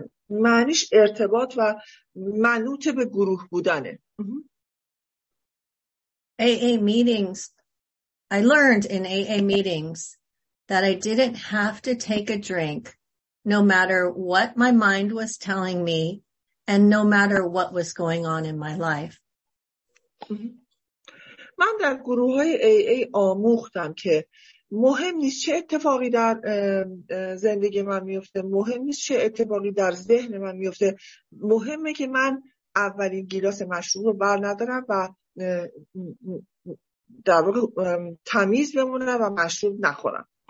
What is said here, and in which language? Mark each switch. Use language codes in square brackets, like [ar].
[fa] معنیش ارتباط و منوط به گروه بودنه. [en] AA meetings, I learned in AA meetings that I didn't have to take a drink no matter what my mind was telling me and no matter what was going on in my life. [fa] من در گروه های AA آموختم که مهم نیست چه اتفاقی در زندگی من میفته، مهم نیست چه اتفاقی در ذهن من میفته، مهمه که من اولین گیلاس مشروب رو بر ندارم و در واقع تمیز بمونم و مشروب نخورم.